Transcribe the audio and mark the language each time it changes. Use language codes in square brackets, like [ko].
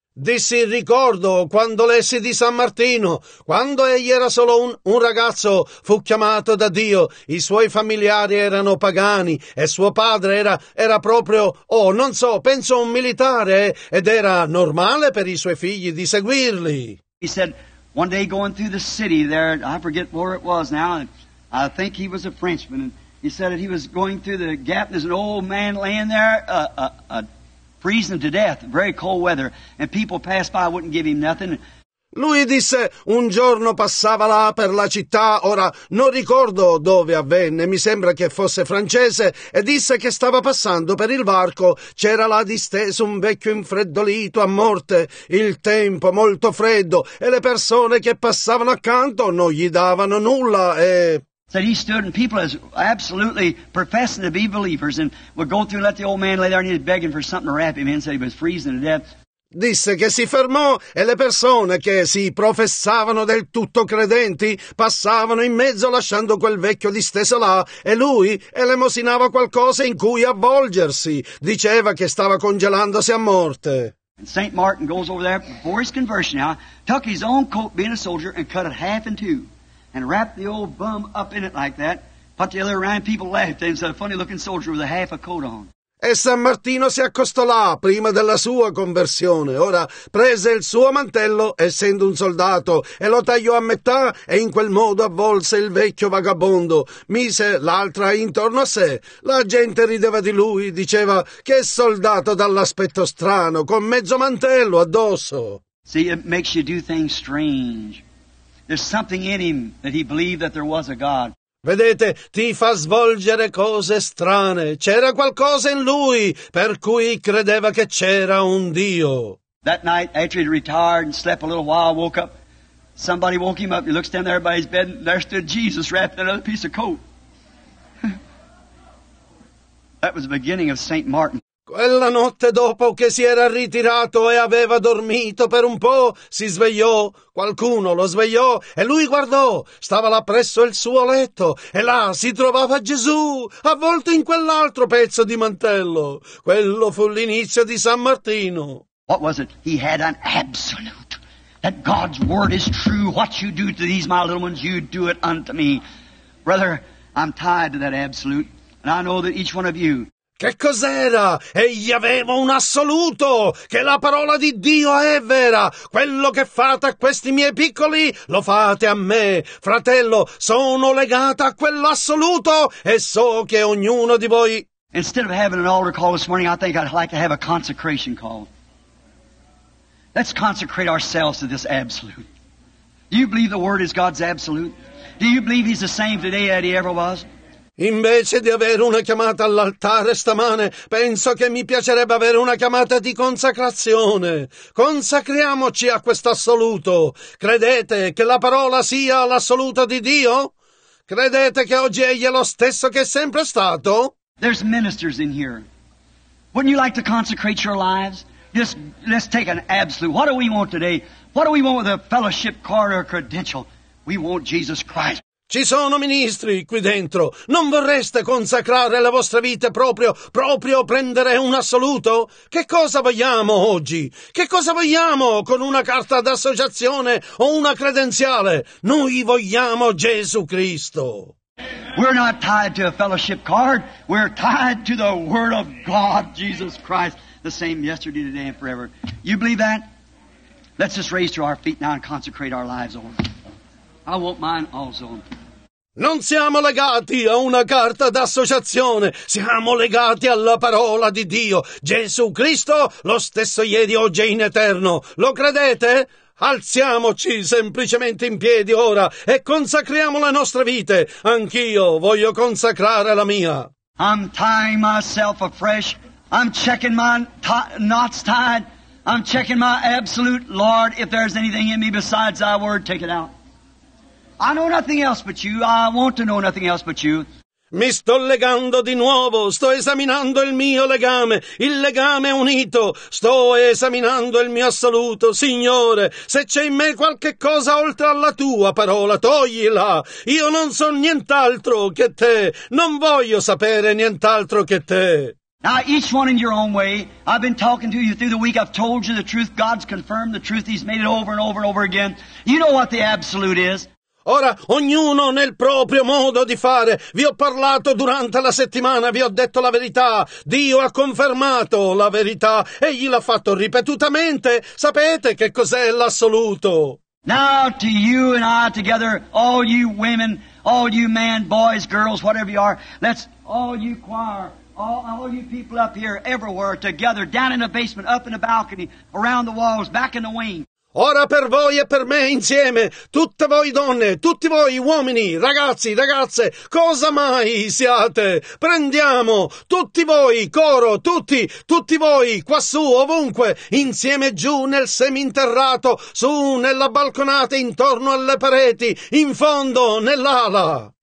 [it] Dissi, ricordo quando lessi di San Martino, quando egli era solo un ragazzo, fu chiamato da Dio, i suoi familiari erano pagani e suo padre era proprio, non so, penso un militare, ed era normale per i suoi figli di seguirli. [en] He said, one day going through the city there, I forget where it was now, and I think he was a Frenchman, and he said that he was going through the gap, and there's an old man laying there, freezing to death, very cold weather, and people passed by, wouldn't give him nothing. [it] Lui disse, un giorno passava là per la città, ora non ricordo dove avvenne, mi sembra che fosse francese, e disse che stava passando per il varco, c'era là disteso un vecchio infreddolito a morte, il tempo molto freddo, e le persone che passavano accanto non gli davano nulla, e... [en] Said he stood and people as absolutely professing to be believers and would go through and let the old man lay there and he was begging for something to wrap him in, said he was freezing to death. [it] Disse che si fermò e le persone che si professavano del tutto credenti passavano in mezzo lasciando quel vecchio disteso là e lui elemosinava qualcosa in cui avvolgersi, diceva che stava congelandosi a morte. [en] And St. Martin goes over there before his conversion now, took his own coat being a soldier and cut it half in two and wrapped the old bum up in it like that, put the other around, people laughed and said a funny looking soldier with a half a coat on. [it] E San Martino si accostò là prima della sua conversione. Ora prese il suo mantello, essendo un soldato, e lo tagliò a metà e in quel modo avvolse il vecchio vagabondo. Mise l'altra intorno a sé. La gente rideva di lui, diceva: che soldato dall'aspetto strano, con mezzo mantello addosso. [en] See, it makes you do things strange. There's something in him that he believed that there was a God. [it] Vedete, ti fa svolgere cose strane. C'era qualcosa in lui per cui credeva che c'era un Dio. [en] That night, after he retired and slept a little while, woke up. Somebody woke him up. He looks down there by his bed, and there stood Jesus wrapped in another piece of coat. That was the beginning of St. Martin. [it] Quella notte, dopo che si era ritirato e aveva dormito per un po', si svegliò. Qualcuno lo svegliò e lui guardò. Stava là presso il suo letto e là si trovava Gesù, avvolto in quell'altro pezzo di mantello. Quello fu l'inizio di San Martino. [en] What was it? He had an absolute. That God's word is true. What you do to these my little ones, you do it unto me. Brother, I'm tied to that absolute. And I know that each one of you. [it] Che cos'era? Egli aveva un assoluto, che la parola di Dio è vera. Quello che fate a questi miei piccoli, lo fate a me. Fratello, sono legata a quell'assoluto e so che ognuno di voi... [en] Instead of having an altar call this morning, I think I'd like to have a consecration call. Let's consecrate ourselves to this absolute. Do you believe the word is God's absolute? Do you believe he's the same today as he ever was? [it] Invece di avere una chiamata all'altare stamane, penso che mi piacerebbe avere una chiamata di consacrazione. Consacriamoci a questo assoluto. Credete che la parola sia l'assoluto di Dio? Credete che oggi egli è lo stesso che è sempre stato? [en] There's ministers in here. Wouldn't you like to consecrate your lives? Just let's take an absolute. What do we want today? What do we want with a fellowship card or credential? We want Jesus Christ. [it] Ci sono ministri qui dentro. Non vorreste consacrare la vostra vita proprio prendere un assoluto? Che cosa vogliamo oggi? Che cosa vogliamo con una carta d'associazione o una credenziale? Noi vogliamo Gesù Cristo. [en] We're not tied to a fellowship card. We're tied to the Word of God, Jesus Christ, the same yesterday, today, and forever. You believe that? Let's just raise to our feet now and consecrate our lives over. I want mine also. [it] Non siamo legati a una carta d'associazione, siamo legati alla parola di Dio. Gesù Cristo, lo stesso ieri, oggi e in eterno. Lo credete? Alziamoci semplicemente in piedi ora e consacriamo la nostra vita. Anch'io voglio consacrare la mia. [en] I'm tying myself afresh. I'm checking my knots tied. I'm checking my absolute. Lord, if there's anything in me besides thy word, take it out. I know nothing else but you. I want to know nothing else but you. [it] Mi sto legando di nuovo. Sto esaminando il mio legame. Il legame unito. Sto esaminando il mio assoluto. Signore, se c'è in me qualche cosa oltre alla tua parola, toglila. Io non so nient'altro che te. Non voglio sapere nient'altro che te. [en] Now, each one in your own way. I've been talking to you through the week. I've told you the truth. God's confirmed the truth. He's made it over and over and over again. You know what the absolute is. [it] Ora, ognuno nel proprio modo di fare. Vi ho parlato durante la settimana, vi ho detto la verità. Dio ha confermato la verità e egli l'ha fatto ripetutamente. Sapete che cos'è l'assoluto? [en] Now to you and I together, all you women, all you men, boys, girls, whatever you are, let's all you choir, all you people up here, everywhere, together, down in the basement, up in the balcony, around the walls, back in the wing. [it] Ora per voi e per me insieme, tutte voi donne, tutti voi uomini, ragazzi, ragazze, cosa mai siate? Prendiamo tutti voi, coro, tutti voi, quassù, ovunque, insieme giù nel seminterrato, su nella balconata, intorno alle pareti, in fondo, nell'ala.